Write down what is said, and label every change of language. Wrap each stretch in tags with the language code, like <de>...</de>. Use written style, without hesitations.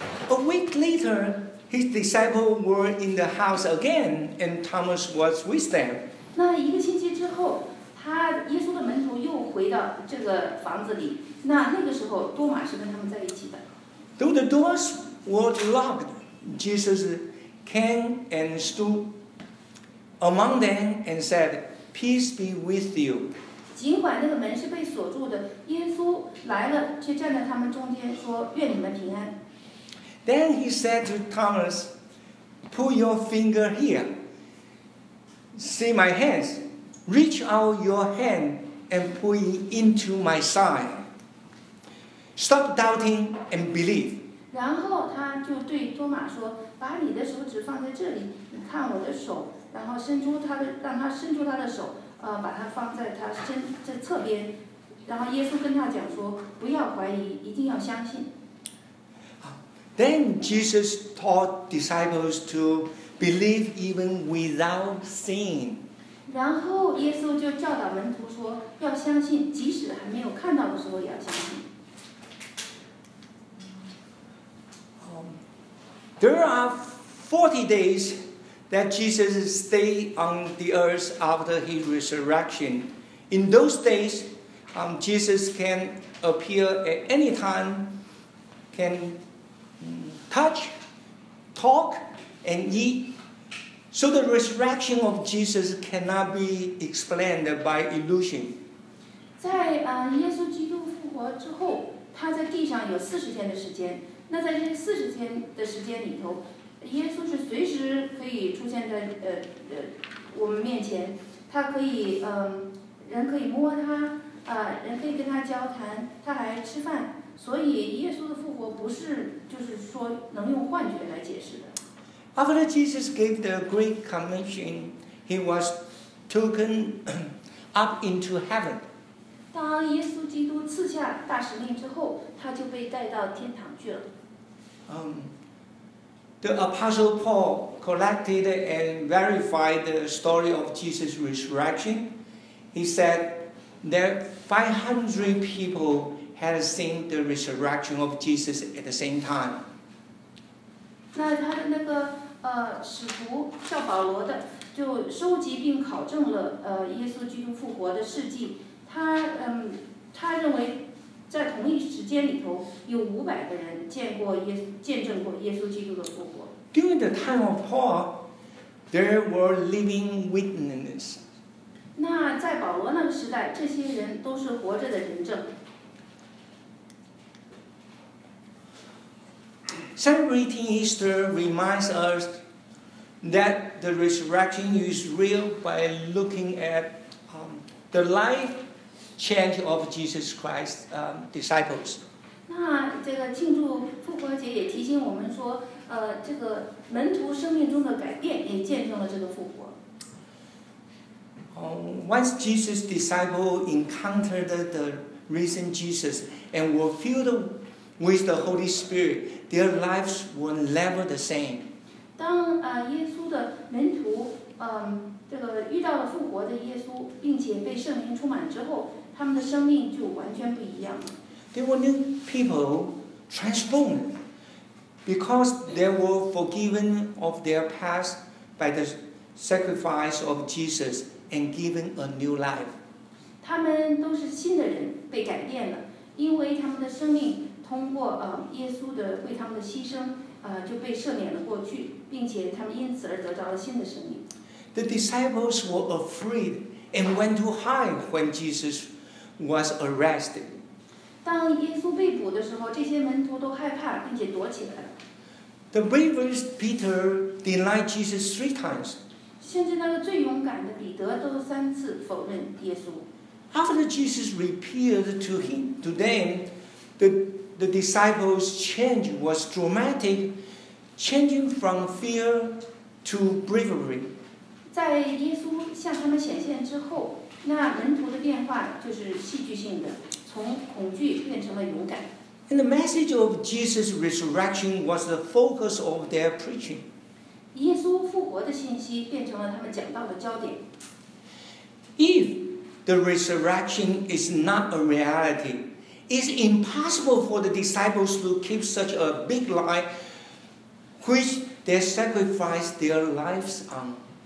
<en>A week later, his disciples were in the house again, and Thomas was with them.</en> <zh>那一个星期之后，耶稣的门徒又回到这个房子里。那个时候，多马是跟他们在一起的。</zh> <en>Though the doors were locked, Jesus came and stood. Among them and said, "Peace be with you."</en> <zh>尽管那个门是被锁住的，耶稣来了，却站在他们中间，说：“愿你们平安。”</zh> <en>Then he said to Thomas, "Put your finger here. See my hands. Reach out your hand and put it into my side. Stop doubting and believe."</en> <zh>然后他就对多马说：“把你的手指放在这里，你看我的手。” 然后伸出他的手，把他放在他身侧边，然后耶稣跟他讲说，不要怀疑，一定要相信。</zh> <en>Then Jesus taught disciples to believe even without seeing.</en> <zh>然后耶稣就教导门徒说，要相信，即使还没有看到的时候也要相信。</zh> <en>There are 40 days that Jesus stayed on the earth after his resurrection. In those days, Jesus can appear at any time, can touch, talk, and eat. So the resurrection of Jesus cannot be explained by illusion.</en> <zh>在耶稣基督复活之后，他在地上有40天的时间。那在这四十天的时间里头，耶稣是随时可以出现在我们面前，他可以人可以摸他人可以跟他交谈，他还吃饭，所以耶稣的复活不是就是说能用幻觉来解释的。</zh> <en>After Jesus gave the great commission, he was taken up into heaven.</en> <zh>当耶稣基督赐下大使命之后，他就被带到天堂去了。</zh> <en>The Apostle Paul collected and verified the story of Jesus' resurrection. He said that 500 people had seen the resurrection of Jesus at the same time.</en> <zh>那他的那个使徒叫保罗的，就收集并考证了耶稣基督复活的事迹。他认为。在同一时间里头，有500个人见证过耶稣基督的复活。</zh> <en>During the time of Paul, there were living witnesses.</en> <zh>那在保罗那个时代，这些人都是活着的人证。</zh> <en>Celebrating Easter reminds us that the resurrection is real by looking at the life. Change of Jesus Christ's disciples.</en> <zh>那这个庆祝复活节也提醒我们说，这个门徒生命中的改变也见证了这个复活。</zh> <en>Once Jesus' disciple encountered the risen Jesus and were filled with the Holy Spirit, their lives were never the same.</en> <zh>当耶稣的门徒这个遇到了复活的耶稣，并且被圣灵充满之后。他们的生命就完全不一样了。</zh> <en>They were new people transformed because they were forgiven of their past by the sacrifice of Jesus and given a new life.</en> <zh>他们都是新的人，被改变了，因为他们的生命通过耶稣的为他们的牺牲就被赦免了过去，并且他们因此而得到了新的生命。</zh> <en>The disciples were afraid and went to hide when Jesus. Was arrested.</en> <zh>当耶稣被捕的时候，这些门徒都害怕，并且躲起来了。</zh> <en>The bravest Peter denied Jesus 3 times.</en> <zh>甚至那个最勇敢的彼得都三次否认耶稣。</zh> <en>After Jesus appeared to them, the disciples' change was dramatic, changing from fear to bravery.</en> <zh>在耶稣向他们显现之后。那门徒的变化就是戏剧性的，从恐惧变成了勇敢。</zh> <en>And the message of Jesus' resurrection was the focus of their preaching.</en> <zh>耶稣复活的信息变成了他们讲道的焦点。</zh> <en>If the resurrection is not a reality, it's impossible for the disciples to keep such a big lie, which they sacrificed their lives on.</en>